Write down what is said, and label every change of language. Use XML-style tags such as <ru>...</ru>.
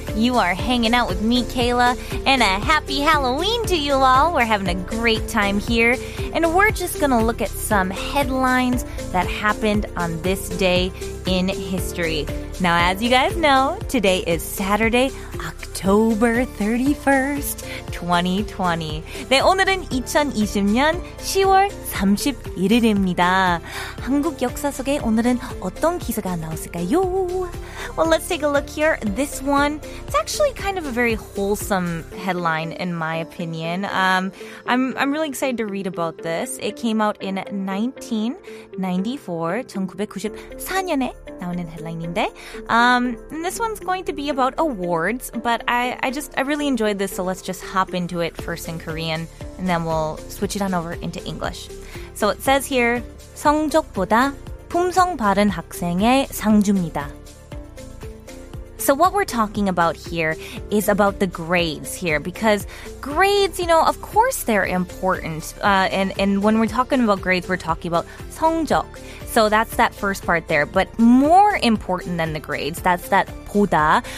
<en>You are hanging out with me, Kayla, and a happy Halloween to you all. We're having a great time here, and we're just going to look at some headlines that happened on this day in history. Now, as you guys know, today is Saturday, October 31st. 2020.</en> <ko>네, 오늘은 2020년 10월 31일입니다. 한국 역사 속에 오늘은 어떤 기사가 나왔을까요?</ko> <en>Well, let's take a look here. This one, it's actually kind of a very wholesome headline in my opinion. I'm really excited to read about this. It came out in 1994,</en> <ko>1994년에 나오는 헤드라인인데.</ko> <en>And this one's going to be about awards, but I really enjoyed this, so let's just hop into it first in Korean, and then we'll switch it on over into English. So it says here,</en> <ko>성적보다 품성 바른 학생의 상주입니다.</ko> <en>So what we're talking about here is about the grades here, because grades, you know, of course they're important. And when we're talking about grades, we're talking about 성적. So that's that first part there. But more important than the grades, that's that 보다.</en>